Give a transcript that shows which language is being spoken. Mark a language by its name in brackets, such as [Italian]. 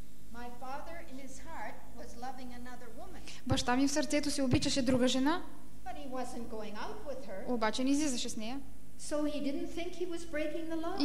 [English] My father in his heart was loving another woman. [Bulgarian] Баща ми в сърцето си обичаше друга жена. [English] But he wasn't going out with her. [Bulgarian] Обаче не излизаше с нея. [English] So he didn't think he was breaking the law.